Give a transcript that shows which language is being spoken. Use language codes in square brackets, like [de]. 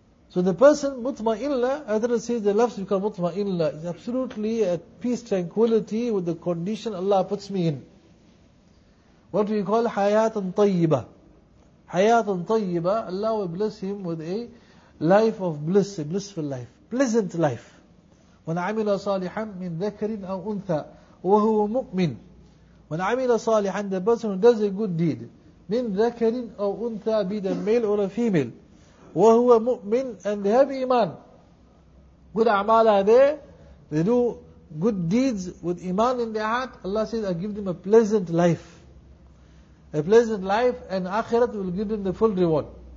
[en] So the person, مُطْمَئِنَّ, Adhra says the nafs become مُطْمَئِنَّ, is absolutely at peace, tranquility with the condition Allah puts me in. What we call حَيَاةً طَيِّبًا. حَيَاةً طَيِّبًا, Allah will bless him with a life of bliss, a blissful life, pleasant life. [ar] من عمل صالحا من ذكر أو أنثى وهو مؤمن. من عمل صالحا, [en] the person who does a good deed, [ar] من ذكر أو أنثى, [en] be the male or a female, [ar] وهو مؤمن, [en] and they have iman. Good أعمال are there, they do good deeds with iman in their heart. Allah says, I give them a pleasant life. A pleasant life, and akhirat will give them the full reward.